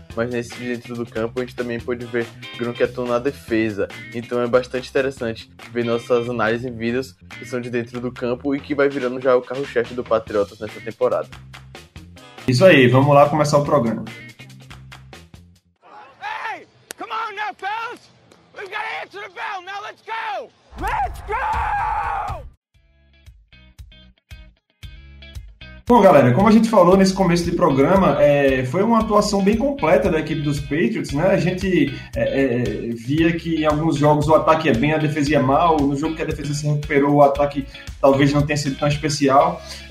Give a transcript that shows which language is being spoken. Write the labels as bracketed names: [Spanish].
[Portuguese] Mas nesse Dentro do Campo a gente também pode ver Gronk atuando na defesa. Então é bastante interessante ver nossas análises em vídeos que são de Dentro do Campo e que vai virando já o carro-chefe do Patriotas nessa temporada. Isso aí, vamos lá começar o programa. [English] Hey, come on now, fellas! We've got to answer the bell, now let's go! Let's go! [Portuguese] Bom, galera, como a gente falou nesse começo de programa, foi uma atuação bem completa da equipe dos Patriots, né? A gente via que em alguns jogos o ataque é bem, a defesa é mal. No jogo que a defesa se recuperou, o ataque talvez não tenha sido tão especial.